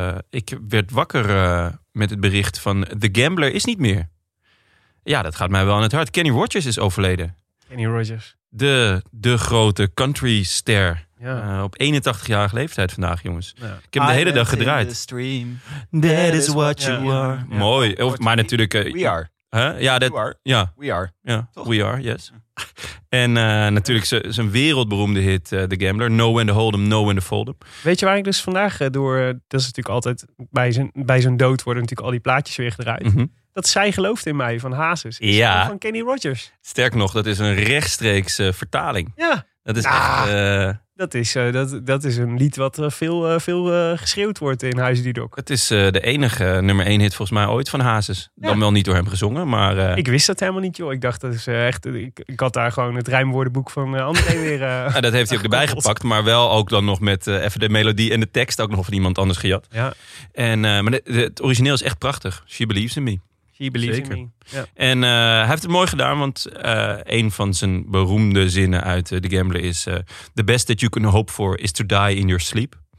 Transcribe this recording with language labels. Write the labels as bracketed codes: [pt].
[nl] Ik werd wakker met het bericht van The Gambler is niet meer. Ja, dat gaat mij wel aan het hart. Kenny Rogers is overleden. Kenny Rogers. De grote country ster. Ja. Op 81-jarige leeftijd vandaag, jongens. Ja. Ik heb de hele dag gedraaid. [en] Stream, that is what you are. [nl] Ja. Mooi. Of, maar natuurlijk... [en] We are. [nl] Huh? Ja, dat, [en] you are. [nl] Ja. [en] We are. Ja. We are, yes. [nl] En natuurlijk zijn wereldberoemde hit The Gambler. [en] Know When to Hold 'Em, Know When to Fold 'Em. [nl] Weet je waar ik dus vandaag door... Dat is natuurlijk altijd... Bij zijn dood worden natuurlijk al die plaatjes weer gedraaid. Mm-hmm. Dat zij gelooft in mij van Hazes. Ja. Van Kenny Rogers. Sterk nog, dat is een rechtstreeks vertaling. Ja. Dat is echt... Dat is een lied wat veel geschreeuwd wordt in Huizen die Dok. Het is de enige nummer 1 hit volgens mij ooit van Hazes. Ja. Dan wel niet door hem gezongen, maar... Ik wist dat helemaal niet, joh. Ik dacht, dat is echt. Ik had daar gewoon het rijmwoordenboek van André weer... dat heeft hij ook erbij gepakt, maar wel ook dan nog met even de melodie en de tekst ook nog van iemand anders gejat. Ja. En, maar het origineel is echt prachtig. [en] She Believes in Me. He believes in me. Ja. [nl] En hij heeft het mooi gedaan, want een van zijn beroemde zinnen uit The Gambler is... [en] The best that you can hope for is to die in your sleep.